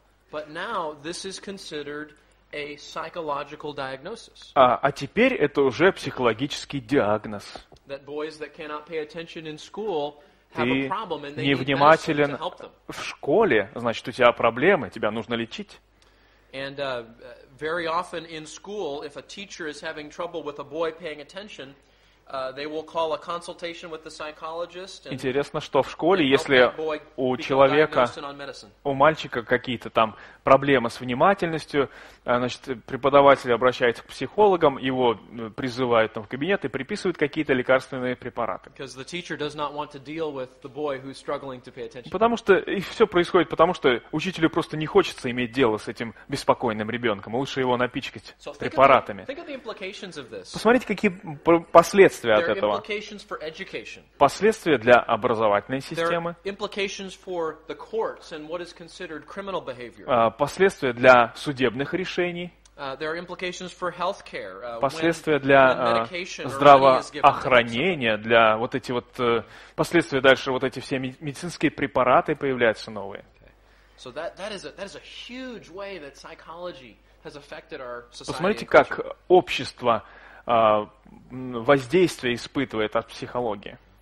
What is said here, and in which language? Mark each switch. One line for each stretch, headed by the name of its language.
English: But now this is considered a psychological diagnosis.
Russian: А теперь это уже психологический диагноз.
English: That boys that cannot pay attention in school have a problem, and they
Russian: невнимателен
English: need to help them.
Russian: В школе, значит, у тебя проблемы, тебя нужно лечить.
English: And very often in school, if a teacher is having trouble with a boy paying attention, they will call a consultation with the psychologist.
Russian: Интересно, что в школе, если у человека, у мальчика какие-то там проблемы с внимательностью, значит, преподаватель обращается к психологам, его призывают там в кабинет и приписывают какие-то лекарственные препараты.
English: Because the teacher does not want to deal with the boy who's struggling to pay attention.
Russian: Потому что и все происходит, потому что учителю просто не хочется иметь дело с этим беспокойным ребенком, лучше его напичкать препаратами. Посмотрите, какие последствия. Последствия от этого. Последствия для образовательной системы. Последствия для судебных решений. Последствия для здравоохранения. Для вот эти вот последствия дальше вот эти все медицинские препараты появляются новые.
English: So that is a huge way that psychology has affected our society.
Russian: Посмотрите, как общество воздействие испытывает от психологии.